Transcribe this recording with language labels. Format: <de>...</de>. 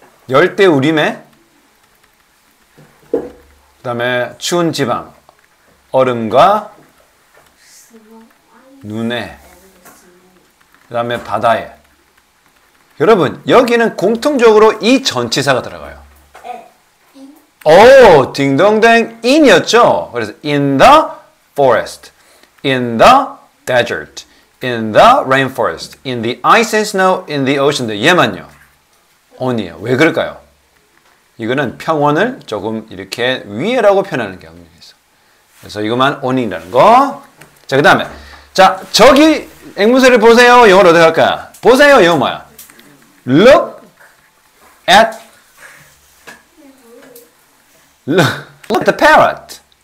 <ko>열대 우림에 그다음에 추운 지방 얼음과 눈에 그다음에 바다에 여러분 여기는 공통적으로 이 전치사가 들어가요. 오, 딩동댕 in이었죠. 그래서</ko> <en>in the forest, in the desert, in the rainforest, in the ice and snow, in the ocean.</en> <ko>얘만요. on이에요. 왜 그럴까요? 이거는 평원을 조금 이렇게 위에라고 표현하는 경우에서. 그래서 이것만 on이라는 거. 자, 그 다음에. 자, 저기 앵무새를 보세요. 영어로 어디 갈까? 보세요. 영어 뭐야?</ko> <en>Look at the parrot.</en>